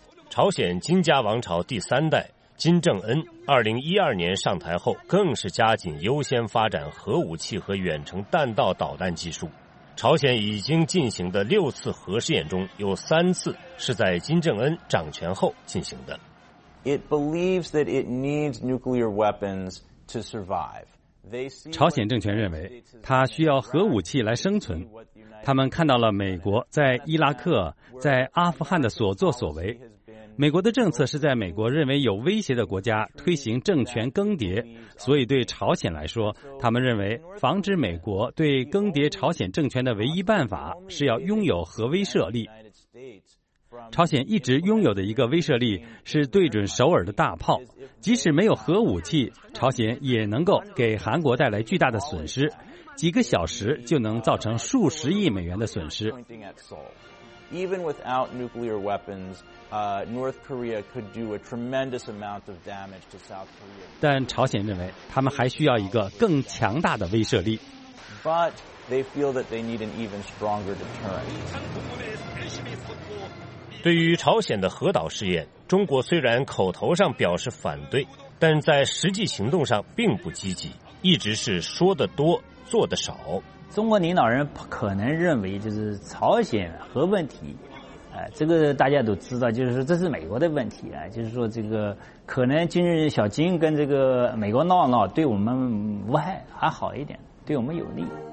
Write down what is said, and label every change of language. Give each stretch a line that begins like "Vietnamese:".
Chinese: 朝鲜金家王朝第三代金正恩2012年上台后，更是加紧优先发展核武器和远程弹道导弹技术。朝鲜已经进行的六次核试验中，有三次是在金正恩掌权后进行的。
English: It believes that it needs nuclear weapons to survive.
Chinese: 朝鲜政权认为它需要核武器来生存。他们看到了美国在伊拉克、在阿富汗的所作所为。美国的政策是在美国认为有威胁的国家推行政权更迭，所以对朝鲜来说，他们认为防止美国对更迭朝鲜政权的唯一办法是要拥有核威慑力。朝鲜一直拥有的一个威慑力是对准首尔的大炮，即使没有核武器，朝鲜也能够给韩国带来巨大的损失，几个小时就能造成数十亿美元的损失。
English: Even without nuclear weapons, North Korea could do a tremendous amount of damage to South Korea.
Chinese: 但朝鲜认为他们还需要一个更强大的威慑力。
English: But they feel that they need an even stronger deterrent.
Chinese: 对于朝鲜的核岛试验，中国虽然口头上表示反对，但在实际行动上并不积极，一直是说得多，做得少。中国领导人可能认为，就是朝鲜核问题这个大家都知道，就是说这是美国的问题啊，就是说这个可能今日小金跟这个美国闹闹，对我们无害还好一点，对我们有利。